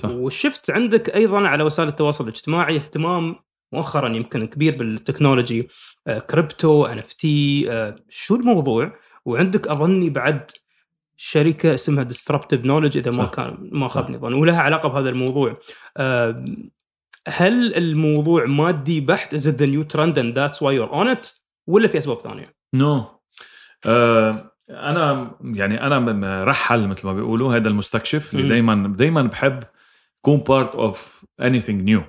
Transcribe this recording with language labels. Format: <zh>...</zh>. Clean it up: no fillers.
<ar>وشفت عندك أيضا على وسائل التواصل الاجتماعي اهتمام مؤخرا يمكن كبير بالتكنولوجي، كريبتو، NFT، شو الموضوع؟ وعندك أظني بعد شركة اسمها Disruptive Knowledge إذا ما كان ما خابني ظن، ولها علاقة بهذا الموضوع. هل الموضوع مادي بحت؟</ar> <en>Is it the new trend and that's why you're on it؟</en> <ar>ولا في أسباب ثانية؟</ar> <en>No.</en> <ar>أنا يعني أنا رحل مثل ما بيقولوا هذا المستكشف اللي دائما بحب كون</ar> <en>part of anything new.</en>